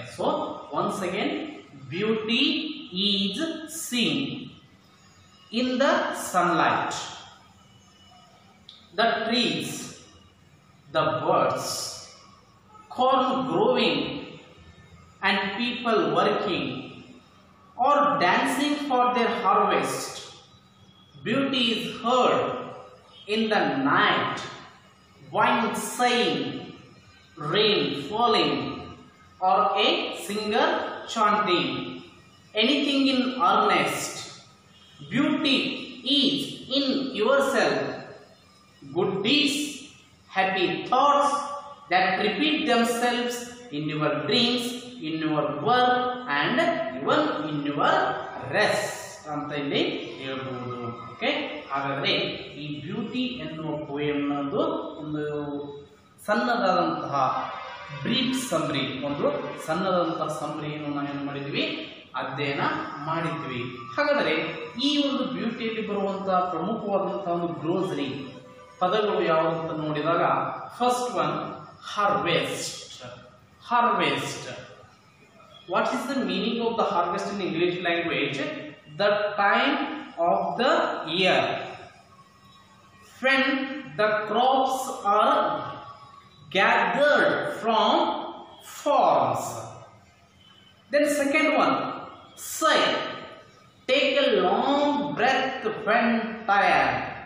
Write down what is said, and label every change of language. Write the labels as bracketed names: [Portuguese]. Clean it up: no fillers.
[English] So once again, beauty is seen in the sunlight, the trees, the birds, corn growing and people working or dancing for their harvest. Beauty is heard in the night, wind sighing, rain falling, or a singer chanting. Anything in earnest, beauty is in yourself. Good deeds, happy thoughts that repeat themselves in your dreams, in your work, and even in your rest. [Kannada] ಅಂತ ಇಲ್ಲಿ ಹೇಳ್ಬಹುದು. Okay, ಹಾಗಾದ್ರೆ ಈ beauty ಎನ್ನುವ poem ಒಂದು ಒಂದು ಸಣ್ಣದಾದಂತಹ brief ಸಮ್ರಿ, ಒಂದು ಸಣ್ಣದಾದಂತಹ ಸಮ್ರಿಯನ್ನು ನಾವು ಏನು ಮಾಡಿದ್ವಿ ಅಧ್ಯಯನ ಮಾಡಿದ್ವಿ. ಹಾಗಾದ್ರೆ ಈ ಒಂದು ಬ್ಯೂಟಿಯಲ್ಲಿ ಬರುವಂತಹ ಪ್ರಮುಖವಾದಂತಹ ಒಂದು ಗ್ರೋಸರಿ ಪದಗಳು ಯಾವುದು ಅಂತ ನೋಡಿದಾಗ [English] First one harvest. Harvest, what is the meaning of the harvest in English language? The time of the year when the crops are gathered from farms. Then second one, sigh. Take a long breath when tired.